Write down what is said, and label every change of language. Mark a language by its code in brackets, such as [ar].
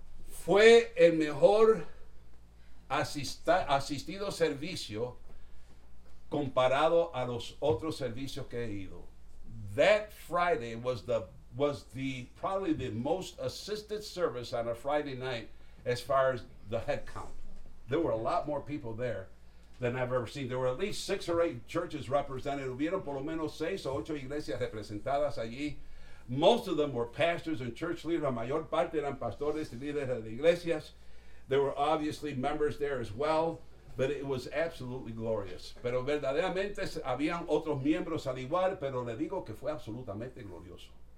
[es] Fue el mejor asistido servicio comparado a los otros servicios que he ido. [en] That Friday was the probably the most assisted service on a Friday night as far as the head count. There were a lot more people there than I've ever seen. There were at least 6 or 8 churches represented. [es] Hubieron por lo menos 6 o 8 iglesias representadas allí. [en] Most of them were pastors and church leaders. [es] La mayor parte eran pastores y líderes de iglesias. [en] There were obviously members there as well, but it was absolutely glorious. [es] Pero verdaderamente habían otros miembros al igual, pero le digo que fue absolutamente glorioso.